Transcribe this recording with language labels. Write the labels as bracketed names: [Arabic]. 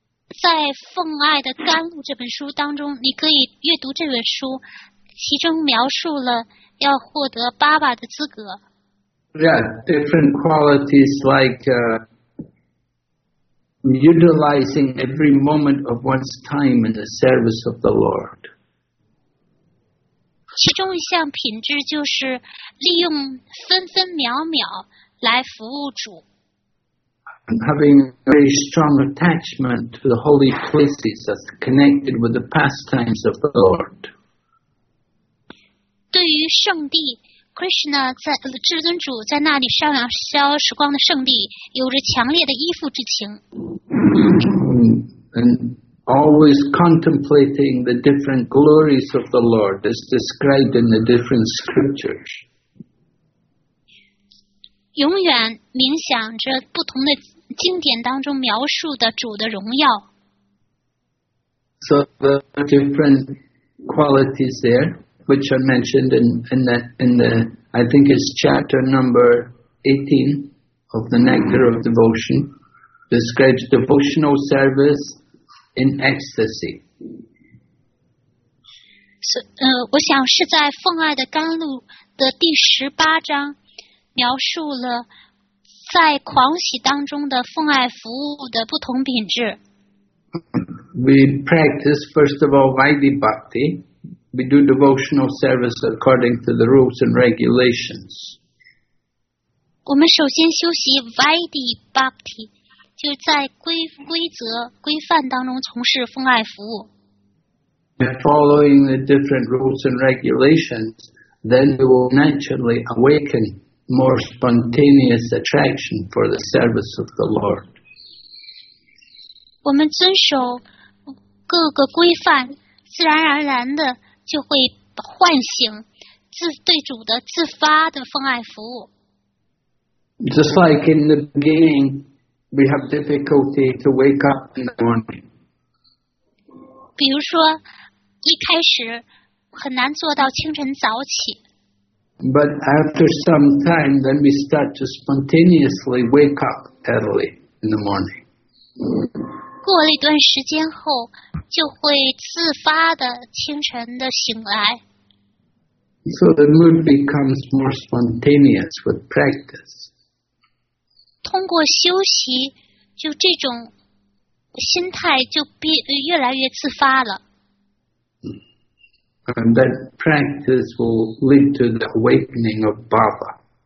[Chinese] 在《奉爱的甘露》这本书当中，你可以阅读这本书，其中描述了要获得 Bhava 的资格。 [English] Yeah, different qualities like utilizing every moment of one's time in the service of the Lord. [Chinese] 其中一项品质就是利用分分秒秒来服务主。 [English] And having a very strong attachment to the holy places that's connected with the pastimes of the Lord. [Chinese] 对于圣地Krishna 在至尊主在那里上扬消时光的圣地，有着强烈的依附之情。 [English] And always contemplating the different glories of the Lord as described in the different scriptures. [Chinese] 永远冥想着不同的经典当中描述的主的荣耀。 [English] So the different qualities there. Which are mentioned in the I think it's chapter number 18 of the Nectar of Devotion, describes devotional service in ecstasy. [Chinese] So, 我想是在《奉爱的甘露》的第十八章，描述了在狂喜当中的奉爱服务的不同品质。 [English] We practice first of all Vaidhi Bhakti. We do devotional service according to the rules and regulations. [Chinese] 我们首先修习 Vaidhi Bhakti, 就在规则规范当中从事奉爱服务。 [English] And following the different rules and regulations, then we will naturally awaken more spontaneous attraction for the service of the Lord. [Chinese] 我们遵守各个规范，自然而然的就会唤醒对主的自发的奉爱服务。 [English] Just like in the beginning, we have difficulty to wake up in the morning. [Chinese] 比如说，一开始很难做到清晨早起。 [English] But after some time, then we start to spontaneously wake up early in the morning. [Chinese] 过了一段时间后就会自发的清晨的醒来。 [English] So the mood becomes more spontaneous with practice. [Chinese] 通过修习，就这种心态就越来越自发了。 [English] And that practice will lead to the awakening of Bhava.